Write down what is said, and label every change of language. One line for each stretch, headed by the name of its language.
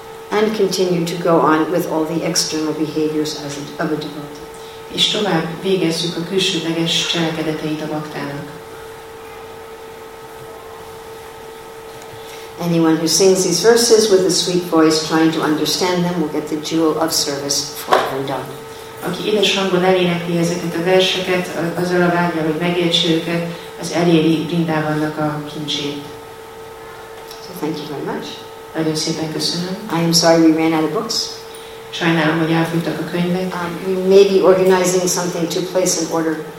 English: And continue to go on with all the external behaviors as of a devotee.
Hungarian: És tovább végezzük a külsődleges cselekedeteit a baktának.
English: Anyone who sings these verses with a sweet voice, trying to understand them, will get the jewel of service for Vrindavan.
Hungarian: Aki édes hangon elénekli ezeket a verseket, azzal a vágyal, hogy megértse őket, az eléri Vrindavannak a kincsét.
English: So thank you very much.
Hungarian: Nagyon szépen köszönöm.
English: I am sorry we ran out of books.
Hungarian: Sajnálom, hogy elfogytak a könyvek.
English: We may be organizing something to place an order.